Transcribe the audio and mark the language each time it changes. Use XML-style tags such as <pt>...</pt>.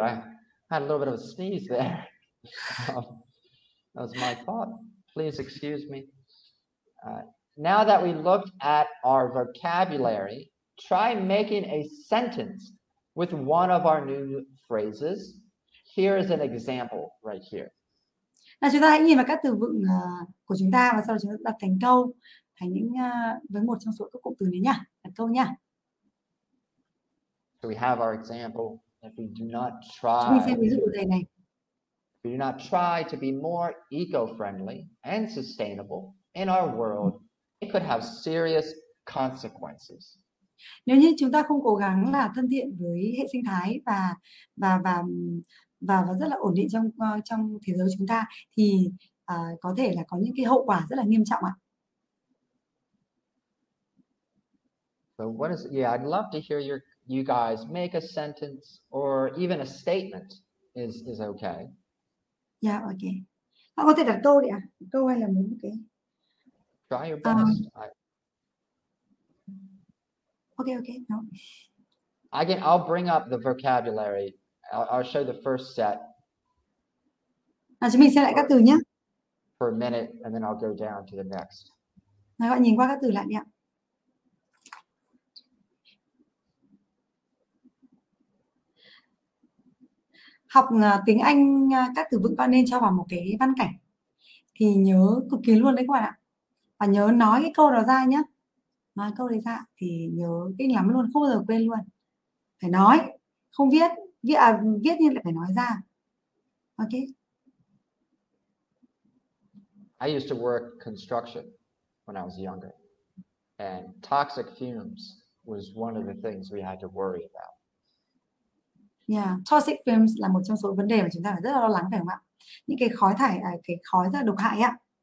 <en>I had a little bit of a sneeze there. That was my fault. Please excuse me. Now that we looked at our vocabulary, try making a sentence with one of our new phrases. Here is an example right here.</en> <vi>Nào chúng ta hãy nhìn vào các từ vựng của chúng ta và sau đó chúng ta đặt thành câu thành những với một trong số các cụm từ này nhá, thành câu nhá.</vi> <en>So we have our example. If we do not try,</en> <vi>chúng mình xem ví dụ đây này.</vi> <en>If we do not try to be more eco-friendly and sustainable in our world, it could have serious consequences.</en> <vi>Nếu như chúng ta không cố gắng là thân thiện với hệ sinh thái và rất là ổn định trong trong thế giới chúng ta thì có thể là có những cái hậu quả rất là nghiêm trọng ạ.</vi> <en>So what is, yeah, I'd love to hear your you guys make a sentence or even a statement is okay. Yeah, okay.</en> <vi>Họ có thể đặt câu đi ạ. Câu hay là muốn cái.</vi> <en>Try your best. Okay. No. I'll bring up the vocabulary. I'll show the first set.</en> <vi>À, chúng mình xem lại các từ nhé.</vi> <en>For a minute, and then I'll go down to the next.</en> <vi>Các bạn nhìn qua các từ lại đi ạ. Học tiếng Anh các từ vựng bạn nên cho vào một cái văn cảnh thì nhớ cực kỳ luôn đấy các bạn ạ. Và nhớ nói cái câu đó ra nhé. Nói câu đấy ra thì nhớ kinh lắm luôn, không bao giờ quên luôn. Phải nói, không viết, viết, à, viết nhưng lại phải nói ra.</vi> <en>Ok. I used to work construction when I was younger. And toxic fumes was one of the things we had to worry about.</en> <vi>Yeah, toxic fumes là một trong số vấn đề mà chúng ta phải rất là lo lắng phải không ạ? Những cái khói thải, cái khói rất là độc hại ạ.</vi>